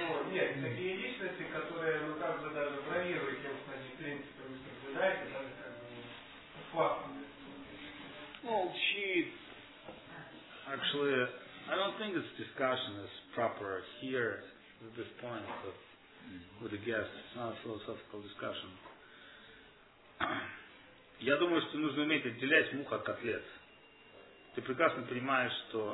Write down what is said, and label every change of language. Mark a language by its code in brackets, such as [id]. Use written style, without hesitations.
[ru] нет, такие личности, которые, ну, как бы даже бравируют тем, что они принципами соблюдают, это как бы фактами. Молчит. [en] Actually, I don't think this discussion is proper here at this point but with the guests. It's not a philosophical discussion. [ru] Я думаю, что нужно уметь отделять мух от котлет. Ты прекрасно понимаешь, что...